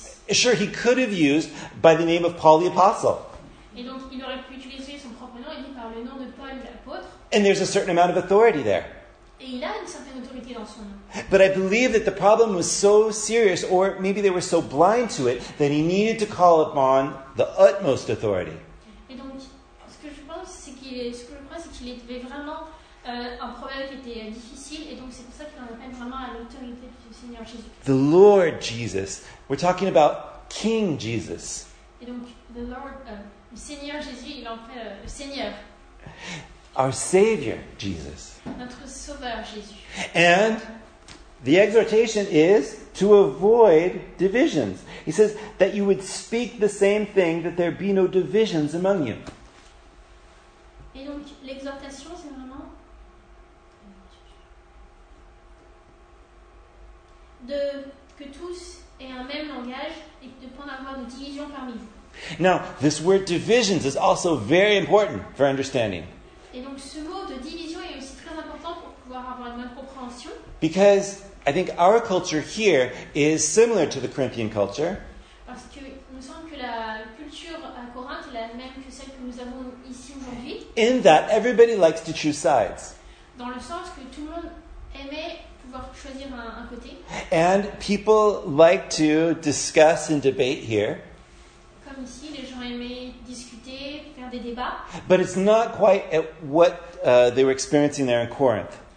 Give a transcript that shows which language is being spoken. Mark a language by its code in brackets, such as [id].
[en] Sure, he could have used by the name of Paul the Apostle. [fr] Et donc, il aurait pu utiliser son propre nom, il dit par le nom de Paul l'apôtre. [en] And there's a certain amount of authority there. [fr] Et il a une certaine autorité dans son nom. [en] But I believe that the problem was so serious, or maybe they were so blind to it, that he needed to call upon the utmost authority. [fr] Et donc, ce que je crois, c'est qu'il devait vraiment un problème qui était difficile, et donc c'est pour ça qu'il en appelle vraiment à l'autorité du Seigneur Jésus. [en] The Lord Jesus. We're talking about King Jesus. [fr] Et donc, [en] the Lord, [fr] le Seigneur Jésus, il en fait le Seigneur. [en] Our Savior, Jesus. [fr] Notre Sauveur, Jésus. [en] And the exhortation is to avoid divisions. He says that you would speak the same thing, that there be no divisions among you. [fr] Et donc, l'exhortation, c'est vraiment de que tous et un même langage et de pas avoir de division parmi vous. [en] Now, this word divisions is also very important for understanding. [fr] Et donc ce mot de division est aussi très important pour pouvoir avoir une bonne compréhension. [en] Because I think our culture here is similar to the Corinthian culture. [fr] Parce que il me semble que la culture à Corinthe est la même que celle que nous avons ici aujourd'hui. [en] In that everybody likes to choose sides. [fr] Dans le sens que tout le monde aimait un côté. [en] And people like to discuss and debate here. [fr] Comme ici, les gens aimaient discuter, faire des débats. [en] But it's not quite at what they were experiencing there in Corinth.